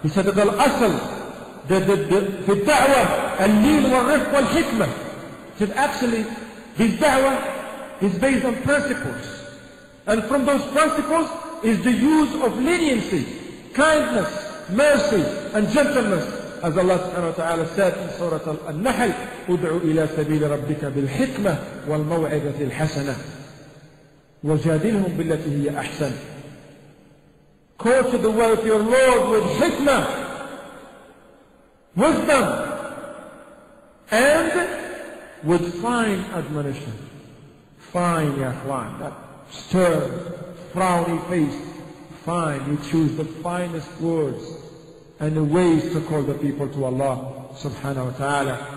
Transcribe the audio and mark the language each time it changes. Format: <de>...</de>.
<en>He said that al-Asr, the da'wah,</en> <ar>al-leen wal-rifq wal-hikmah.</ar> <en>He said actually, his da'wah is based on principles. And from those principles is the use of leniency, kindness, mercy, and gentleness. As Allah subhanahu wa ta'ala said in Surah Al-Nahl,</en> <ar>ادعو إلى سبيل ربك بالحكمة والموعظة الحسنة وجادلهم بالتي هي أحسن.</ar> <en>Call to the way of your Lord with حكمة, wisdom, and with fine admonition. Fine, ya akhwan, that stern, frowny face. Fine, you choose the finest words and the ways to call the people to Allah subhanahu wa ta'ala.</en>